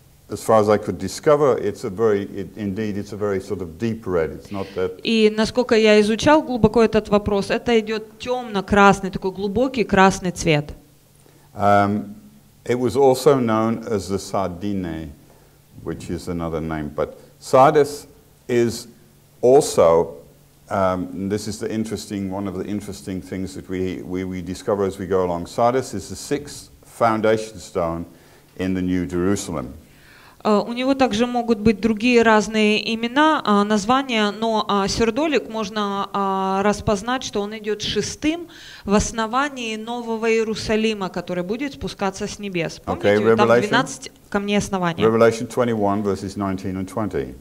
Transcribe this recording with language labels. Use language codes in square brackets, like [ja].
[en] As far as I could discover, it's a very, indeed, it's a very sort of deep red. It's not that. [ru] И насколько я изучал глубоко этот вопрос, это идет темно-красный, такой глубокий красный цвет. [en] It was also known as the sardine, which is another name. But sardis is also, this is one of the interesting things that we discover as we go along. Sardis is the sixth foundation stone in the New Jerusalem. [ru] У него также могут быть другие разные имена, названия, но сердолик можно распознать, что он идет шестым в основании Нового Иерусалима, который будет спускаться с небес. Помните, [en] okay, [ru] там 12 камней основания. [en] Revelation 21, verses 19 and 20.